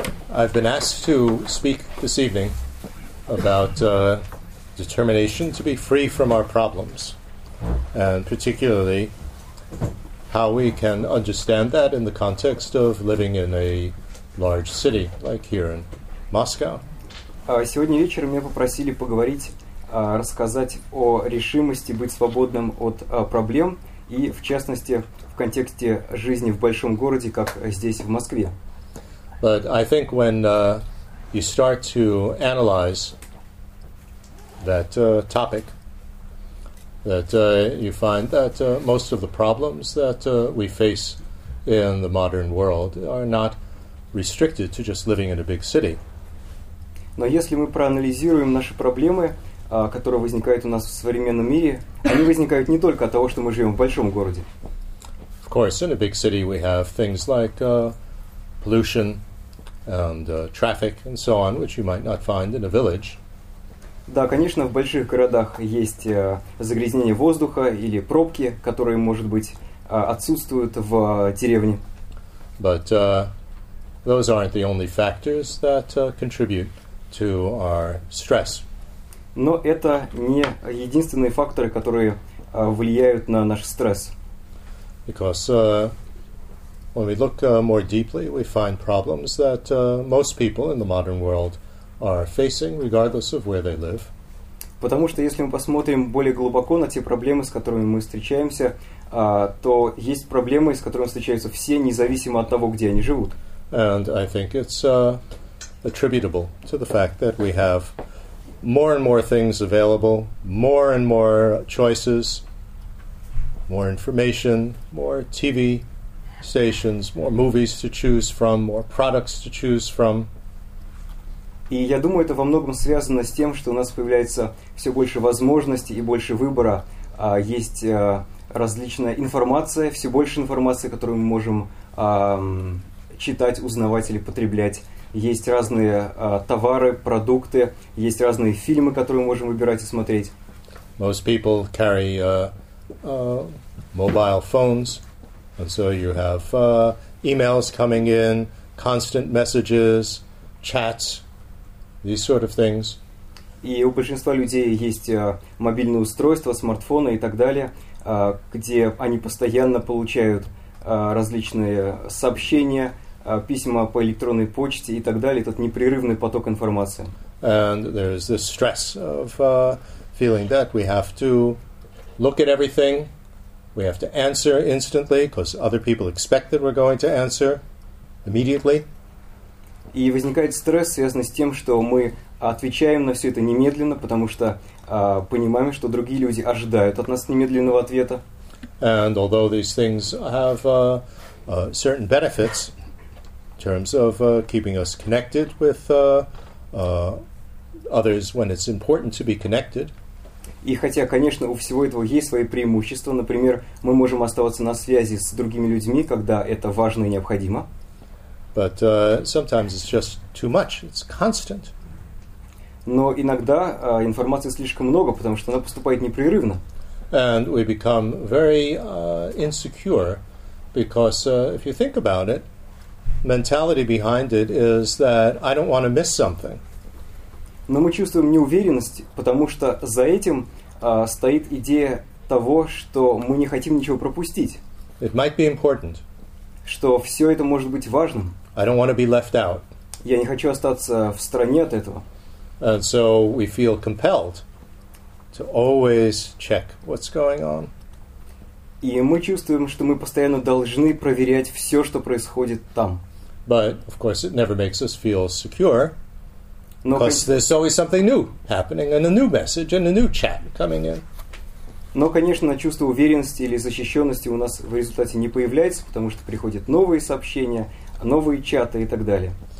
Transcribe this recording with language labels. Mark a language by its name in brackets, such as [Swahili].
[English] I've been asked to speak this evening about determination to be free from our problems, and particularly how we can understand that in the context of living in a large city like here in Moscow. [Russian] Сегодня вечером меня попросили поговорить, рассказать о решимости быть свободным от проблем и, в частности, в контексте жизни в большом городе, как здесь, в Москве. [English] But I think when you start to analyze that topic, that you find that most of the problems that we face in the modern world are not restricted to just living in a big city. [Russian] Но если мы проанализируем наши проблемы, которые возникают у нас в современном мире, они возникают не только от того, что мы живем в большом городе. [English] Of course, in a big city we have things like pollution and traffic and so on, which you might not find in a village. [Russian] Да, конечно, в больших городах есть загрязнение воздуха или пробки, которые, может быть, отсутствуют в деревне. [English] But those aren't the only factors that contribute to our stress. [Russian] Но это не единственные факторы, которые влияют на наш стресс. [English] Because when we look more deeply, we find problems that most people in the modern world are facing, regardless of where they live. [Russian] Потому что если мы посмотрим более глубоко на те проблемы, с которыми мы встречаемся, то есть проблемы, с которыми встречаются все, независимо от того, где они живут. [English] And I think it's attributable to the fact that we have more and more things available, more and more choices, more information, more TV stations, more movies to choose from, more products to choose from. [Russian] И я думаю, это во многом связано с тем, что у нас появляется все больше возможностей и больше выбора. Есть различная информация, все больше информации, которую мы можем читать, узнавать или потреблять. Есть разные товары, продукты, есть разные фильмы, которые мы можем выбирать и смотреть. [English] Most people carry mobile phones, and so you have emails coming in, constant messages, chats. These sort of things. [Russian] И у большинства людей есть мобильные устройства, смартфоны и так далее, где они постоянно получают различные сообщения, письма по электронной почте и так далее. Этот непрерывный поток информации. [English] And there's this stress of feeling that we have to look at everything, we have to answer instantly, because other people expect that we're going to answer immediately. [Russian] И возникает стресс, связанный с тем, что мы отвечаем на все это немедленно, потому что понимаем, что другие люди ожидают от нас немедленного ответа. [English] And although these things have certain benefits in terms of keeping us connected with others when it's important to be connected. [Russian] И хотя, конечно, у всего этого есть свои преимущества, например, мы можем оставаться на связи с другими людьми, когда это важно и необходимо. [English] But sometimes it's just too much. It's constant. [Russian] Но иногда информации слишком много, потому что она поступает непрерывно. [English] And we become very insecure because if you think about it, mentality behind it is that I don't want to miss something. [Russian] Но мы чувствуем неуверенность, потому что за этим стоит идея того, что мы не хотим ничего пропустить. [English] It might be important. [Russian] Что все это может быть важным. [English] I don't want to be left out. [Russian] Я не хочу остаться в стороне от этого. [English] And so we feel compelled to always check what's going on. [Russian] И мы чувствуем, что мы постоянно должны проверять все, что происходит там. [English] But of course it never makes us feel secure. [Russian] Но [English] because there's always something new happening and a new message and a new chat coming in. [Russian] Но, конечно, чувство уверенности или защищенности у нас в результате не появляется, потому что приходят новые сообщения, новые чаты и так далее.